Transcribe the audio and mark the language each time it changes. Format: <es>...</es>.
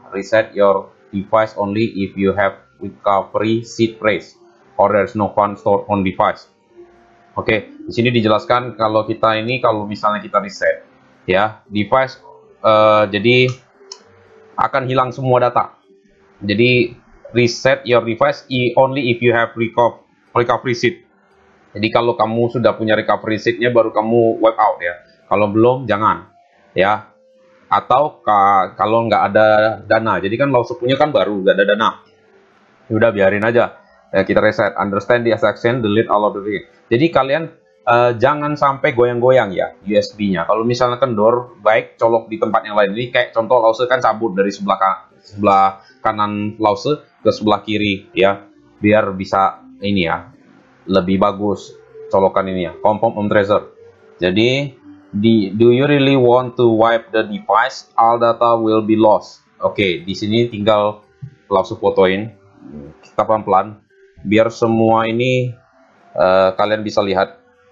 <en>Reset your device only if you have recovery seed phrase or there's no fund stored on device.</en> <id>Oke, okay. Di sini dijelaskan kalau kita ini kalau misalnya kita reset, ya device jadi akan hilang semua data. Jadi</id> <en>reset your device only if you have recovery seed.</en> <id>Jadi kalau kamu sudah punya recovery seed-nya baru kamu wipe out ya. Kalau belum jangan, ya. Atau kalau nggak ada dana, jadi kan Lause punya kan baru nggak ada dana, udah biarin aja ya, kita reset,</id> <en>understand the exception, delete all of the read.</en> <id>Jadi kalian jangan sampai goyang-goyang ya USB-nya. Kalau misalnya kendor, baik colok di tempat yang lain. Ini kayak contoh Lause kan cabut dari sebelah kanan Lause ke sebelah kiri ya, biar bisa ini ya, lebih bagus colokan ini ya, kompom Om Treasure. Jadi</id> <en>do you really want to wipe the device? All data will be lost.</en> <id>Oke, di sini tinggal langsung fotoin. Kita pelan-pelan biar semua ini kalian bisa lihat.</id>